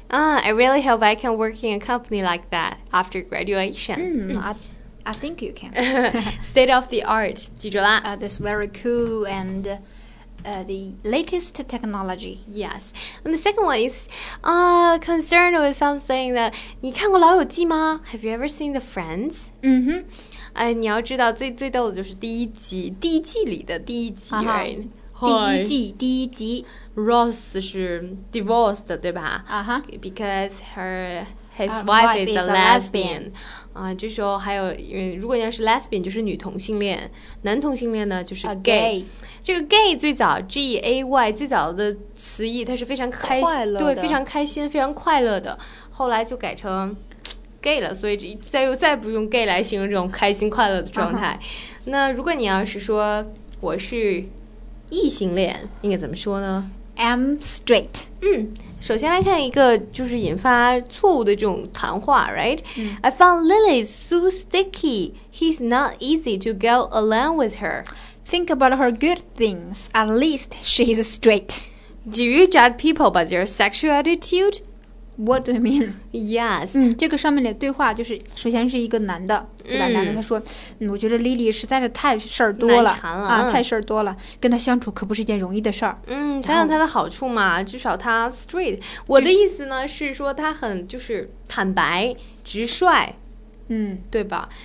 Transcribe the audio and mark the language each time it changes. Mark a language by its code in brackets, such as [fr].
[en] I really hope I can work in a company like that after graduation. I think you can. State of the art, [zh] 记住啦。 [en] That's very cool and the latest technology. Yes. And the second one is concerned with something that [zh] 你看过老友记吗？ [en] Have you ever seen The Friends? [zh] 你要知道最逗的就是第一季里的第一集。第一季 Ross 是 divorced 的对吧？ [en] Because his wife is a lesbian. [zh] 这时候还有如果你要是 lesbian 就是女同性恋，男同性恋呢就是 gay。这个 gay 最早 gay 最早的词义它是非常开心，对，非常开心非常快乐的，后来就改成 gay 了，所以再不用 gay 来形容这种开心快乐的状态。那如果你要是说我是异性恋应该怎么说呢？ [en] I'm straight。 [zh] 首先来看一个就是引发错误的这种谈话 right？ [en] I found Lily so sticky, he's not easy to go along with her Think about her good things. At least she is straight. Do you judge people by their sexual attitude? What do you mean? Yes. [zh] 这个上面的对话就是首先是一个男的，对吧？男的他说，我觉得 Lily 实在是太事儿多了，难缠啊，太事儿多了，跟他相处可不是一件容易的事儿。想想他的好处嘛，至少他 straight。我的意思呢是说他很就是坦白直率，对吧？